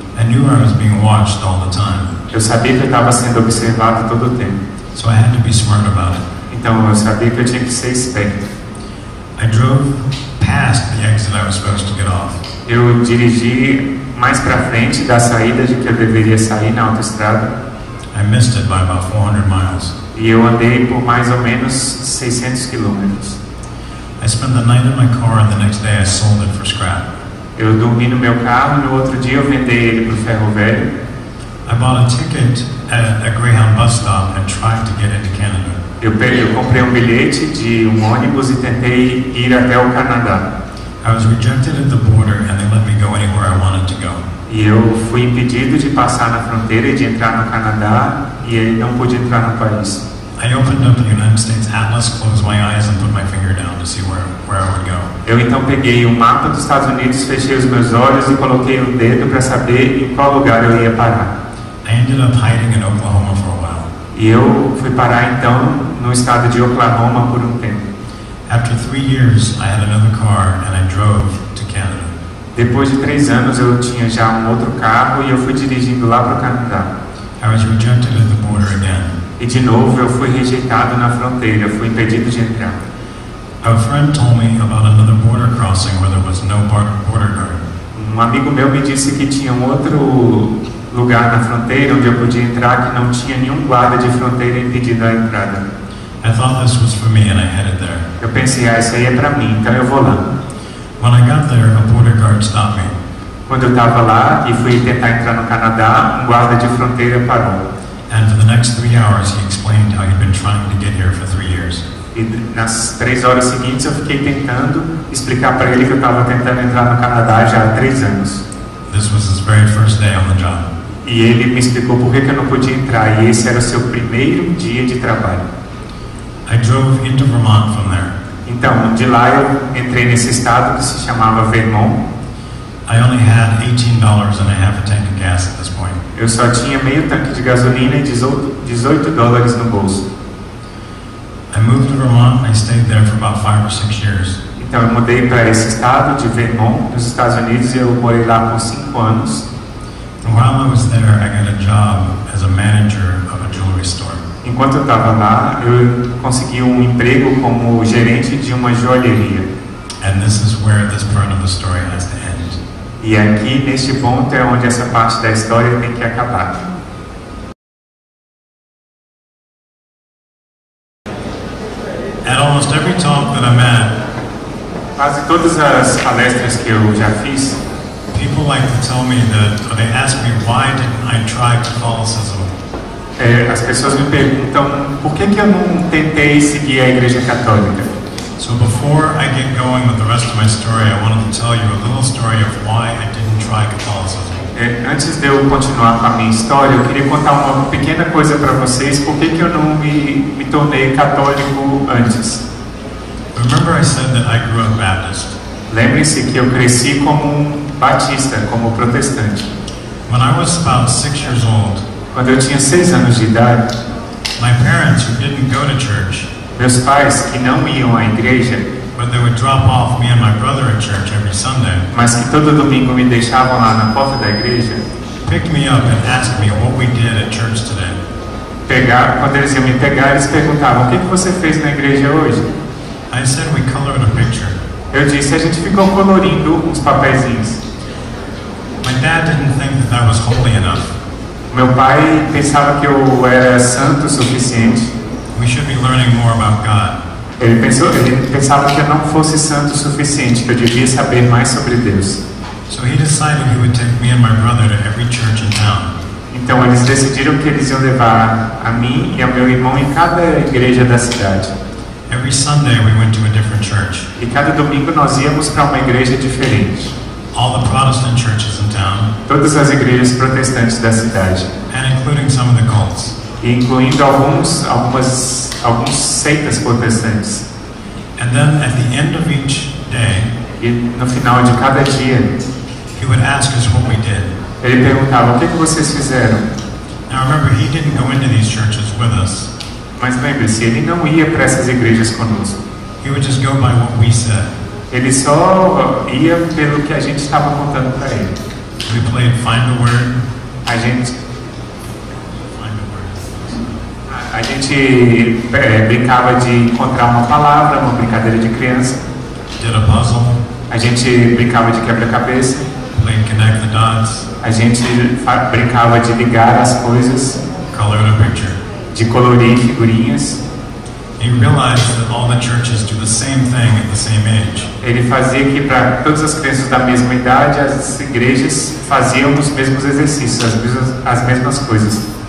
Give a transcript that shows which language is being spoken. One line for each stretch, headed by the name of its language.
English: I knew I was being watched all the time.
Portuguese: Eu sabia que eu estava sendo observado todo o tempo.
English: So I had to be smart about it.
Portuguese: Então eu sabia que eu tinha que ser esperto.
English: I drove past the exit I was supposed to get off.
Portuguese: Eu dirigi mais para frente da saída de que eu deveria sair na autoestrada.
English: I missed it by about 400 miles.
Portuguese: E eu andei por mais ou menos 600 quilômetros.
English: I spent the night in my car and the next day I sold it for scrap.
Portuguese: Eu dormi no meu carro e no outro dia eu vendei ele pro ferro velho.
English: I bought a ticket at a Greyhound bus stop and tried to get into Canada.
Portuguese: Eu comprei bilhete de ônibus e tentei ir até o Canadá.
English: I was rejected at the border and they let me go anywhere I wanted to go.
Portuguese: E eu fui impedido de passar na fronteira e de entrar no Canadá, e aí não pude entrar no país.
English: I opened up the United States Atlas, closed my eyes and put my finger down to see where I would go.
Portuguese: Eu então peguei o mapa dos Estados Unidos, fechei os meus olhos e coloquei um dedo para saber em qual lugar eu ia parar.
English: I ended up hiding in Oklahoma for a while.
Portuguese: E eu fui parar então no estado de Oklahoma por um tempo.
English: After 3 years, I had another car and I drove to Canada.
Portuguese: Depois de 3 anos, eu tinha já um outro carro e eu fui dirigindo lá para o Canadá.
English: I was rejected at the border again.
Portuguese: E de novo eu fui rejeitado na fronteira, fui impedido de entrar.
English: A friend told me about another border crossing where there was no border guard.
Portuguese: Um amigo meu me disse que tinha um outro lugar na fronteira onde eu podia entrar que não tinha nenhum guarda de fronteira impedindo a entrada.
English: I thought this was for me and I headed there.
Portuguese: Eu pensei, ah, isso aí é para mim, então eu vou lá.
English: When I got there, a border guard stopped me.
Portuguese: Quando eu estava lá e fui tentar entrar no Canadá, um guarda de fronteira parou.
English: And for the next 3 hours, he explained how he'd been trying to get here for 3 years.
Portuguese: E nas 3 horas seguintes, eu fiquei tentando explicar para ele que eu estava tentando entrar no Canadá já há 3 anos.
English: This was his very first day on the job.
Portuguese: E ele me explicou por que eu não podia entrar, e esse era o seu primeiro dia de trabalho.
English: I drove into Vermont from there.
Portuguese: Então, de lá eu entrei nesse estado que se chamava Vermont.
English: I only had $18 and a half a tank of gas at this point.
Portuguese: Eu só tinha meio tanque de gasolina e $18 no bolso.
English: I moved to Vermont and I stayed there for about 5 or 6 years.
Portuguese: Então eu mudei para esse estado de Vermont, nos Estados Unidos, e eu morei lá por 5 anos.
English: And while I was there, I got a job as a manager of a jewelry store.
Portuguese: Enquanto eu estava lá, eu consegui um emprego como gerente de uma joalheria.
English: And this is where this part of the story has to end.
Portuguese: E aqui, neste ponto, é onde essa parte da história tem que acabar.
English: At almost every talk that I'm at,
Portuguese: quase todas as palestras que eu já fiz,
English: people like to tell me that, or they ask me, why didn't I try Catholicism?
Portuguese: As pessoas me perguntam, por que que eu não tentei seguir a Igreja Católica?
English: So before I get going with the rest of my story, I wanted to tell you a little story of why I didn't try Catholicism.
Portuguese: Antes de eu continuar com a minha história, eu queria contar uma pequena coisa para vocês, por que que eu não me tornei católico antes.
English: Remember I said that I grew up Baptist.
Portuguese: Lembre-se que eu cresci como um batista, como protestante.
English: When I was about 6 years old,
Portuguese: quando eu tinha 6 anos de idade,
English: my parents who didn't go to church,
Portuguese: meus pais que não iam à igreja,
English: but they would drop off me and my brother at church every Sunday,
Portuguese: mas que todo domingo me deixavam lá na porta da igreja,
English: pick me up and ask me what we did at church today.
Portuguese: Quando eles iam me pegar, eles perguntavam, o que você fez na igreja hoje?
English: I said we colored a picture.
Portuguese: Eu disse, a gente ficou colorindo uns papeizinhos.
English: My dad didn't think that I was holy enough.
Portuguese: Meu pai pensava que eu era santo o suficiente.
English: We should be learning more about God.
Portuguese: Ele pensava que eu não fosse santo o suficiente, que eu devia saber mais sobre Deus.
English: So he decided he would take me and my brother to every church in town.
Portuguese: Então eles decidiram que eles iam levar a mim e ao meu irmão em cada igreja da cidade.
English: Every Sunday we went to a different church.
Portuguese: E cada domingo nós íamos para uma igreja diferente.
English: All the Protestant churches in town.
Portuguese: Todas as igrejas protestantes da cidade.
English: And including some of the cults.
Portuguese: Incluindo algumas seitas protestantes.
English: And then at the end of each day,
Portuguese: e no final de cada dia,
English: he would ask us what we did.
Portuguese: Ele perguntava, o que que vocês fizeram?
English: Now remember, he didn't go into these churches with us.
Portuguese: Mas lembre-se, ele não ia para essas igrejas conosco.
English: He would just go by what we said.
Portuguese: Ele só ia pelo que a gente estava contando para ele.
English: We played Find the Word.
Portuguese: A gente brincava de encontrar uma palavra, uma brincadeira de criança.
English: Did a puzzle.
Portuguese: A gente brincava de quebra-cabeça.
English: Played Connect the Dots.
Portuguese: A gente brincava de ligar as coisas.
English: Colored a picture.
Portuguese: De colorir figurinhas.
English: He realized that all the churches do the same thing at the same age.
Portuguese: Ele fazia que para todas as crianças da mesma idade, as igrejas faziam os mesmos exercícios, as mesmas coisas.